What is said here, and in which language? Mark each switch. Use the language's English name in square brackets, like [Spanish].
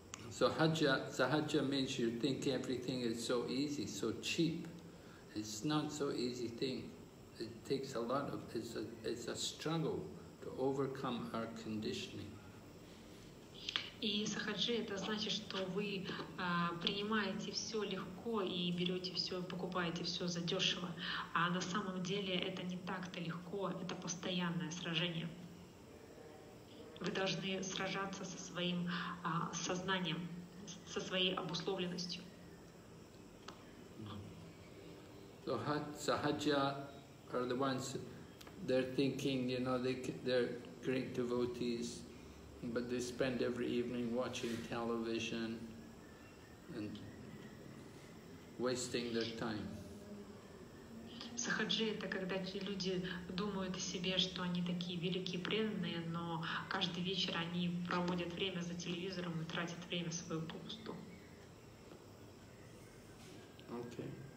[English] So hajja, sahajya means you think everything is so easy, so cheap. It's not so easy thing. It takes a lot of, it's a struggle to overcome our conditioning. [Russian] И сахаджи это значит, что вы принимаете все легко и берете все, покупаете все за дешево. А на самом деле это не так-то легко, это постоянное сражение. Вы должны сражаться со своим сознанием, со своей обусловленностью. [English] Sahaja are the ones, they're thinking, you know, they're great devotees, but they spend every evening watching television and wasting their time. [Russian] Сахаджи — это когда люди думают о себе, что они такие великие преданные, но каждый вечер они проводят время за телевизором и тратят время свое попусту. [English] Okay.